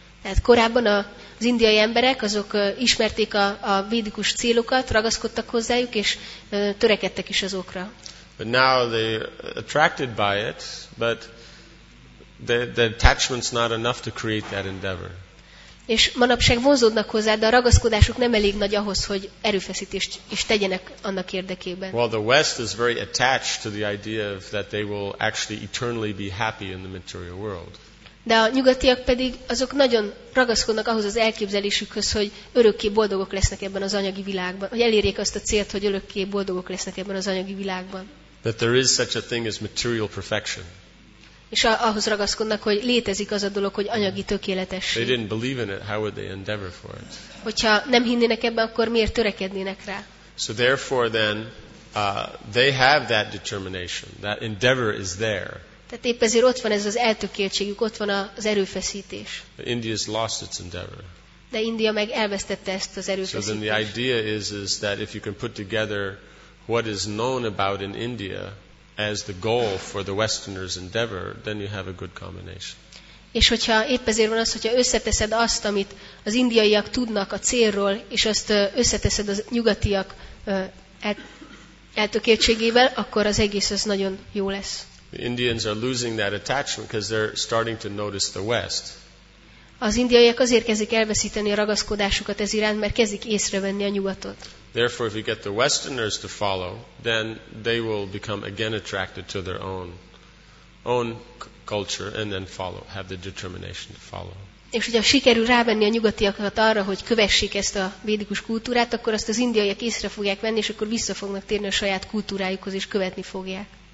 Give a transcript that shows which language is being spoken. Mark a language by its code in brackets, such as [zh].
[hu] Tehát korábban az indiai emberek, azok ismerték a védikus célokat, ragaszkodtak hozzájuk, és törekedtek is azokra. [en] But now they're attracted by it, but the attachment's not enough to create that endeavor. [hu] És manapság vonzódnak hozzá, de a ragaszkodásuk nem elég nagy ahhoz, hogy erőfeszítést is tegyenek annak érdekében. [en] Well, the West is very attached to the idea of that they will actually eternally be happy in the material world. [hu] De a nyugatiak pedig azok nagyon ragaszkodnak ahhoz az elképzelésükhöz, hogy örökké boldogok lesznek ebben az anyagi világban, hogy elérjék azt a célt, hogy örökké boldogok lesznek ebben az anyagi világban. [en] That there is such a thing as material perfection. [hu] És ahhoz ragaszkodnak, hogy létezik az a dolog, hogy anyagi tökéletesség. [en] They didn't believe in it, how would they endeavor for it? [hu] Hogyha nem hinnének ebben, akkor miért törekednének rá? [en] So therefore then they have that determination. That endeavor is there. [hu] Tehát épp ezért ott van ez az eltökéltségük, ott van az erőfeszítés. [en] India has lost its endeavor. [hu] De India meg elvesztette ezt az erőfeszítést. [en] So then the idea is that if you can put together what is known about in India as the goal for the Westerners' endeavor, then you have a good combination. [hu] És hogyha épp ezért van az, hogyha összeteszed azt, amit az indiaiak tudnak a célról, és azt összeteszed a nyugatiak eltökéltségével, akkor az egész az nagyon jó lesz. [en] The Indians are losing that attachment because they're starting to notice the West. [hu] Az indiaiak azért kezdik elveszíteni a ragaszkodásukat ez iránt, mert kezdik észrevenni a nyugatot. [en] Therefore, if you get the Westerners to follow, then they will become again attracted to their own culture, and then follow, have the determination to follow. [hu] És hogyha sikerül rávenni a nyugatiakat arra, hogy kövessék ezt a védikus kultúrát, akkor azt az indiaiak észre fogják venni, és akkor vissza fognak térni a saját kultúrájukhoz, és követni fogják.